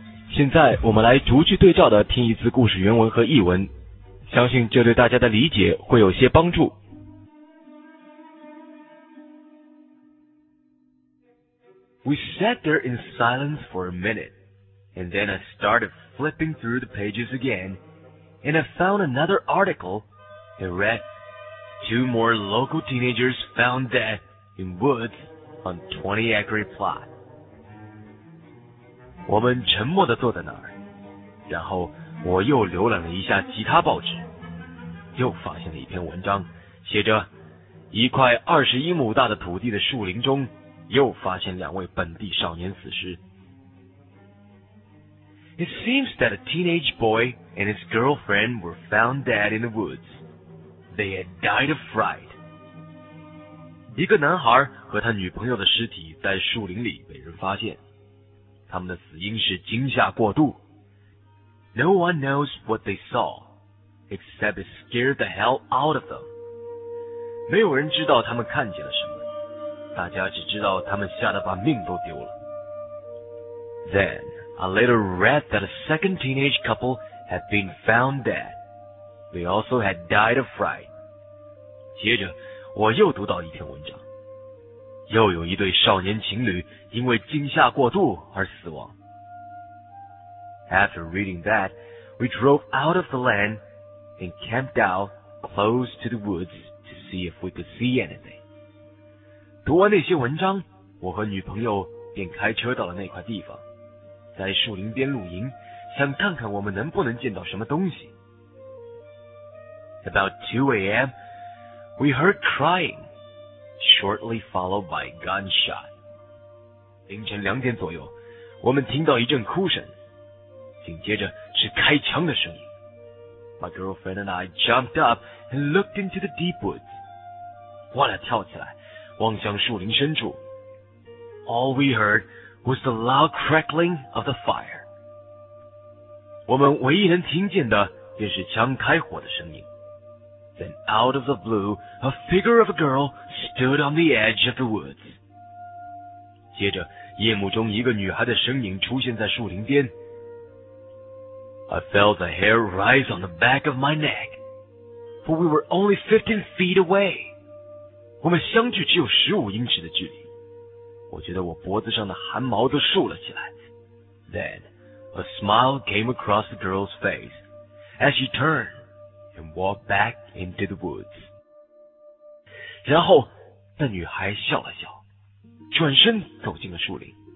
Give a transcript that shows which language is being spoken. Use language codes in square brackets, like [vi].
[zh] 现在我们来逐句对照的听一次故事原文和译文，相信这对大家的理解会有些帮助。 [en] We sat there in silence for a minute, and then I started flipping through the pages again, and I found another article. It read, two more local teenagers found dead in woods on 20-acre plot. [zh] 我们沉默地坐在那儿，然后我又浏览了一下其他报纸，又发现了一篇文章，写着一块21亩大的土地的树林中又发现两位本地少年死尸。 [en] It seems that a teenage boy and his girlfriend were found dead in the woods. They had died of fright. [zh] 一个男孩和他女朋友的尸体在树林里被人发现，他们的死因是惊吓过度。 [en] No one knows what they saw, except it scared the hell out of them. [zh] 没有人知道他们看见了什么，大家只知道他们吓得把命都丢了。 [en] Then, I later read that a second teenage couple had been found dead. They also had died of fright. [zh] 接着，我又读到一篇文章。又有一对少年情侣因为惊吓过度而死亡。 [en] After reading that, we drove out of the land and camped out close to the woods to see if we could see anything. [zh] 读完那些文章，我和女朋友便开车到了那块地方，在树林边露营，想看看我们能不能见到什么东西。 [en] About 2 a.m, we heard crying, shortly followed by gunshot. [zh] 凌晨2点左右，我们听到一阵哭声，紧接着是开枪的声音。 [en] My girlfriend and I jumped up and looked into the deep woods. [zh] 我俩跳起来，望向树林深处。 [en] All we heard was the loud crackling of the fire. [zh] 我们唯一能听见的便是枪开火的声音。 [en] Then out of the blue, a figure of a girl stood on the edge of the woods. [zh] 接着，夜幕中一个女孩的身影出现在树林边。 [en] I felt the hair rise on the back of my neck, for we were only 15 feet away. [zh] 我们相距只有15英尺的距离。我觉得我脖子上的汗毛都竖了起来。 [en] Then, a smile came across the girl's face as she turned and walked back into the woods. [zh] 然后，那女孩笑了笑，转身走进了树林。